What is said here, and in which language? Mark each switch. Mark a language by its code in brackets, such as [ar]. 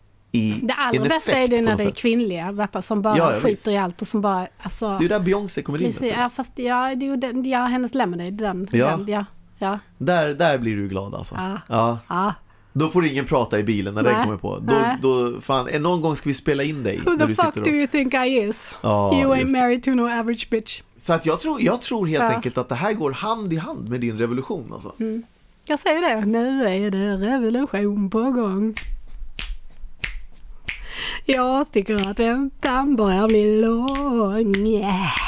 [sv] Det allra bästa är det när det är kvinnliga rappare som bara skiter i allt och som bara, alltså, det är där Beyoncé kommer in. Ja, fast det är hennes Lemonade, den. Där blir du glad alltså. Då får ingen prata i bilen när den kommer på. Då fan, någon gång ska vi spela in dig. [en] Who the fuck do you think I is? You ain't married to no average bitch. [sv] Så att jag tror helt enkelt att det här går hand i hand med din revolution alltså. Mm. Jag säger det. Nu är det revolution på gång. Jag tycker att väntan börjar bli lång.